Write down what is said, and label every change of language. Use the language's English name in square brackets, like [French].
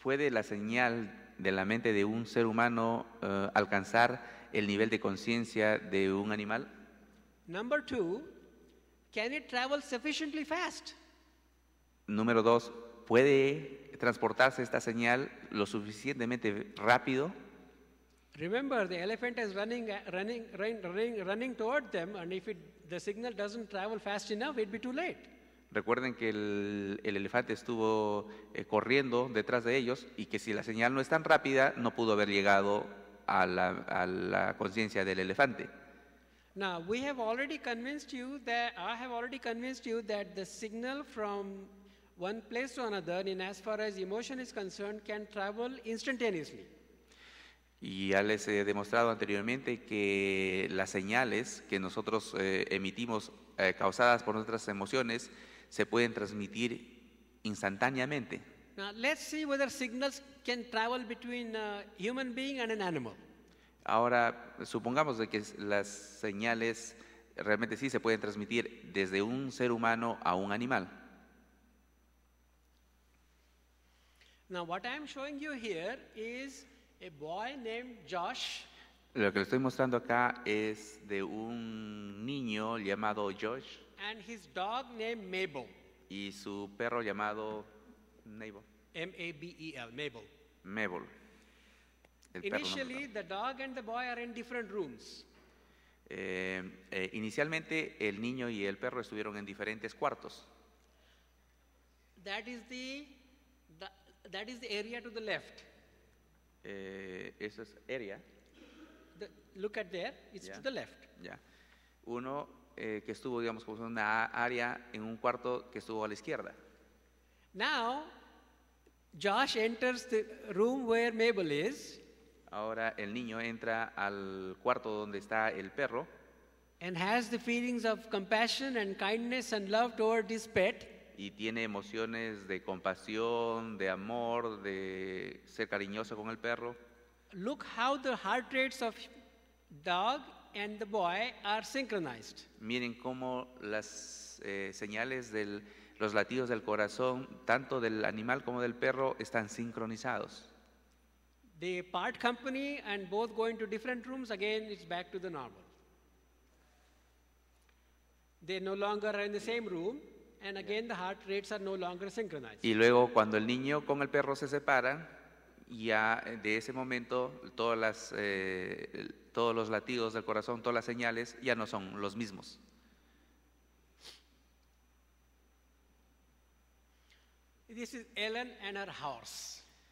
[Spanish] ¿Puede la señal de la mente de un ser humano alcanzar el nivel de conciencia de un animal? [English] Number two, can it travel sufficiently fast? [Spanish] Número dos, ¿puede transportarse esta señal lo suficientemente rápido? [English] Remember, the elephant is running toward them, and if the signal doesn't travel fast enough, it'd be too late. [Spanish] Recuerden que el elefante estuvo corriendo detrás de ellos y que si la señal no es tan rápida, no pudo haber llegado a la conciencia del elefante. [English] Now, we have already convinced you that the signal from one place to another, in as far as emotion is concerned, can travel instantaneously. [Spanish] Y ya les he demostrado anteriormente que las señales que nosotros emitimos causadas por nuestras emociones se pueden transmitir instantáneamente. [English] Now, let's see whether signals can travel between a human being and an animal. [Spanish] Ahora, supongamos de que las señales realmente sí se pueden transmitir desde un ser humano a un animal. [English] Now, what I'm showing you here is a boy named Josh. [Spanish] Lo que le estoy mostrando acá es de un niño llamado Josh. [English] And his dog named Mabel. [Spanish] Y su perro llamado Mabel. [English] M-A-B-E-L, Mabel. Mabel. Initially, the dog and the boy are in different rooms. [Spanish] Inicialmente, el niño y el perro estuvieron en diferentes cuartos. [English] That is the area to the left. [Spanish] Esa es area. [English] Look at there, it's to the left. Yeah. [Spanish] Uno que estuvo, digamos, como una área en un cuarto que estuvo a la izquierda. [English] Now, Josh enters the room where Mabel is. [Spanish] Ahora el niño entra al cuarto donde está el perro. [English] And has the feelings of compassion and kindness and love toward this pet. [Spanish] Y tiene emociones de compasión, de amor, de ser cariñoso con el perro. [English] Look how the heart rates of dog and the boy are synchronized. [Spanish] Miren cómo las señales de los latidos del corazón, tanto del animal como del perro, están sincronizados. [English] They part company and both go into different rooms. Again, it's back to the normal. They no longer are in the same room, and again the heart rates are no longer synchronized. [Spanish] Y luego cuando el niño con el perro se separan, ya de ese momento todos los latidos del corazón, todas las señales ya no son los mismos. [English] This is Ellen and her horse.